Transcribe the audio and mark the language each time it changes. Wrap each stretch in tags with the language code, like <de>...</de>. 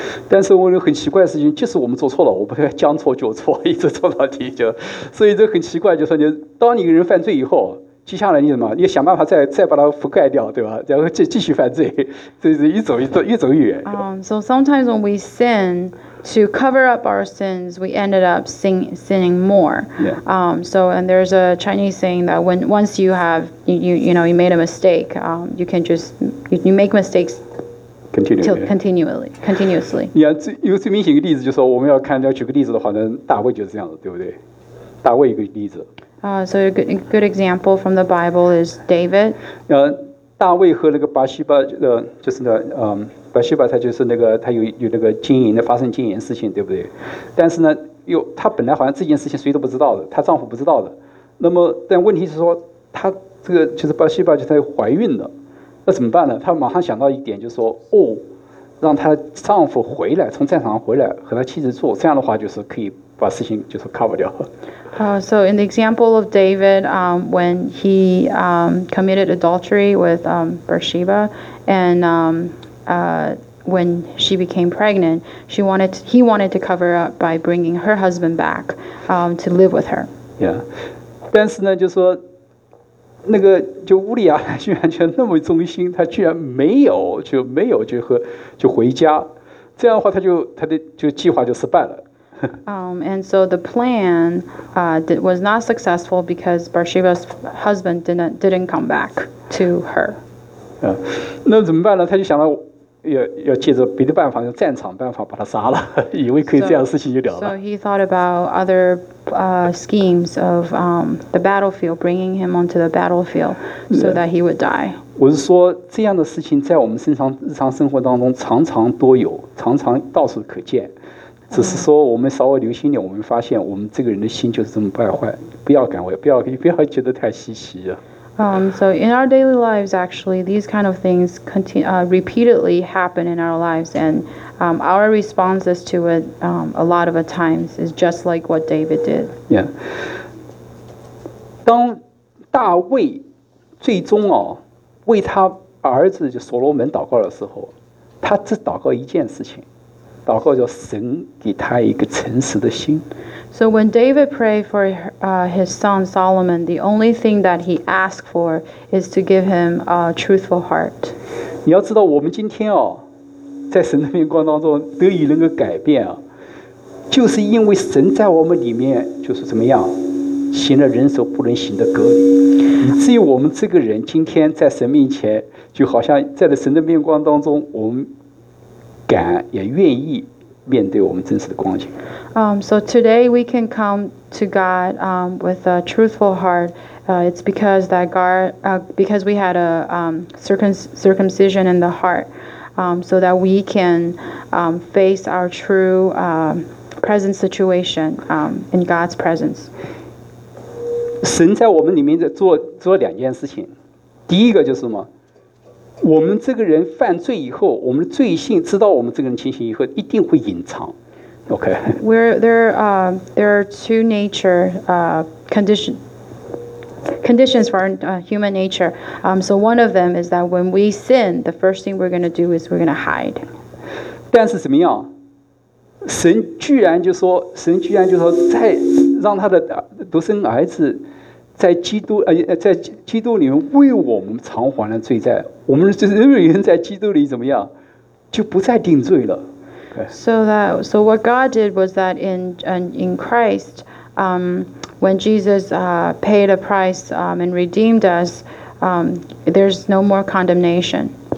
<zh>但是我有很奇怪的事情，即使我们做错了，我不会将错就错，一直做到底，就所以这很奇怪，就是说当你一个人犯罪以后。接下来你什么？你想办法再把它覆盖掉，对吧？然后继续犯罪，这是一走越远。</zh> <en>So sometimes when we sin to cover up our sins, we ended up sinning more. Yeah. So and there's a Chinese saying that when once you have you made a mistake, you can just you make mistakes continuously.</en> <zh>你看最有最明显的例子，就是说我们要看要举个例子的话，那大卫就是这样的，对不对？大卫一个例子。</zh> <en>So a good example from the Bible is David.</en> <zh>大卫和那个巴西巴，就是那巴西巴，他就是那个他有那个经营的发生经营事情，对不对？但是呢，又他本来好像这件事情谁都不知道的，他丈夫不知道的。那么，但问题是说，他这个就是巴西巴，就她怀孕了，那怎么办呢？他马上想到一点，就是说，哦，让他丈夫回来，从战场回来和他妻子住，这样的话就是可以。把事情就是 cover 掉。</zh> <en>So in the example of David, when he committed adultery with Bathsheba, and when she became pregnant, he wanted to cover up by bringing her husband back to live with her. Yeah.</en> <zh>但是呢，就说那个就乌利亚居然就那么忠心，他居然没有就和就回家，这样的话他的计划就失败了。</zh> <en>And so the plan was not successful because Bathsheba's husband didn't come back to her.</en> <zh>那怎么办呢？他就想到，要借着别的办法，用战场办法把他杀了，以为可以这样事情就了了。</zh> <en>So he thought about other schemes of the battlefield, bringing him onto the battlefield so that he would die.</en> <zh>我是说，这样的事情在我们日常生活当中常常都有，常常到处可见。只是说我们稍微留心点，我们发现我们这个人的心就是这么败坏，不要感为，不要觉得太稀奇啊。</zh> <en>So in our daily lives, actually, these kind of things repeatedly happen in our lives, and our responses to it a lot of the times is just like what David did. Yeah.</en> <zh>当大卫最终哦为他儿子就所罗门祷告的时候，他只祷告一件事情，祷告叫神给他一个诚实的心。</zh> <en>So when David prayed for his son Solomon, the only thing that he asked for is to give him a truthful heart.</en> <zh>你要知道，我们今天哦，在神的眼光当中得以能够改变啊，就是因为神在我们里面就是怎么样，行了人手不能行的割礼，以至于我们这个人今天在神面前，就好像在神的眼光当中，我们敢也愿意。面对我们真实的光景。</zh> <en>So today we can come to God with a truthful heart. It's because that because we had a circumcision in the heart, so that we can face our true present situation in God's presence.</en> <zh>神在我们里面在做两件事情，第一个就是什么？我们这个人犯罪以后，我们的罪性知道我们这个人情形以后，一定会隐藏。</zh> <en>OK. There are two nature conditions for human nature. So one of them is that when we sin, the first thing we're going to do is we're going to hide.</en> <zh>但是怎么样？神居然就说，在让他的独生儿子。在基督里面为我们偿还了罪债，我们就是人在基督里怎么样，就不再定罪了。</zh> <en>So what God did was that in Christ, when Jesus paid a price and redeemed us, there's no more condemnation.</en>